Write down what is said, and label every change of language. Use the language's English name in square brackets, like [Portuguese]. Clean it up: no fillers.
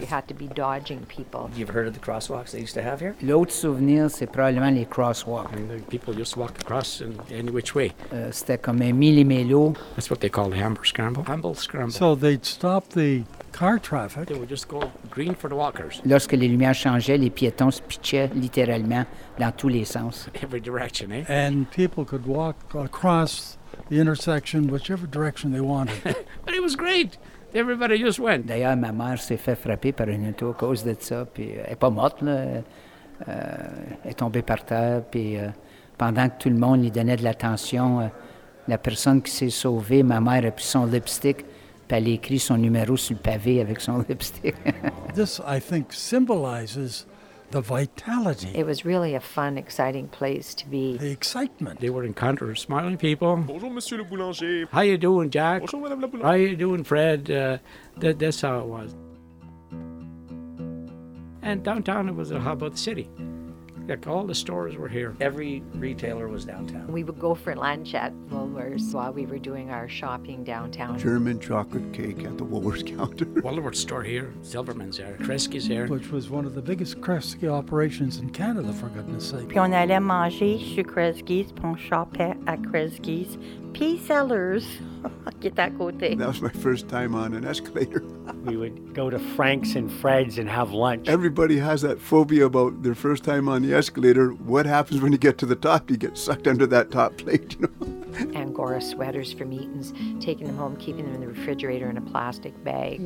[English] You had to be dodging people. You've heard of the crosswalks they used to have here? [French] L'autre souvenir, c'est probablement les crosswalks. [English] And people just walk across in any which way. [French] C'était comme un millimélo. [English] That's what they call the Amble Scramble. Amble Scramble. So they'd stop the car traffic. They would just go green for the walkers. [French] Lorsque les lumières changeaient, les piétons se pitchaient littéralement dans tous les sens. [English] Every direction, eh? And people could walk across the intersection, whichever direction they wanted. But it was great. Everybody just went. [French] D'ailleurs, ma mère s'est fait frapper par une auto à cause de ça. Puis elle est pas morte, là. Elle est tombée par terre. Puis pendant que tout le monde lui donnait de l'attention, la personne qui s'est sauvée, ma mère a pris son lipstick. Elle a écrit son numéro sur le pavé avec son lipstick. [English] This, I think, symbolizes the vitality. It was really a fun, exciting place to be. The excitement. They were encountering smiling people. [French] Bonjour, Monsieur le Boulanger. [English] How you doing, Jack? [French] Bonjour, Madame la Boulanger. [English] How you doing, Fred? That's how it was. And downtown, it was the hub of the city. Like all the stores were here. Every retailer was downtown. We would go for lunch at Woolworths while we were doing our shopping downtown. German chocolate cake at the Woolworths counter. Woolworths store here, Silverman's here, Kresge's here. Which was one of the biggest Kresge operations in Canada, for goodness sake. [French] Puis on allait manger chez Kresge's, puis on shoppait à Kresge's. Puis Sellers, qui est à côté. [English] That was my first time on an escalator. We would go to Frank's and Fred's and have lunch. Everybody has that phobia about their first time on the escalator. What happens when you get to the top? You get sucked under that top plate, you know? Angora sweaters from Eaton's, taking them home, keeping them in the refrigerator in a plastic bag.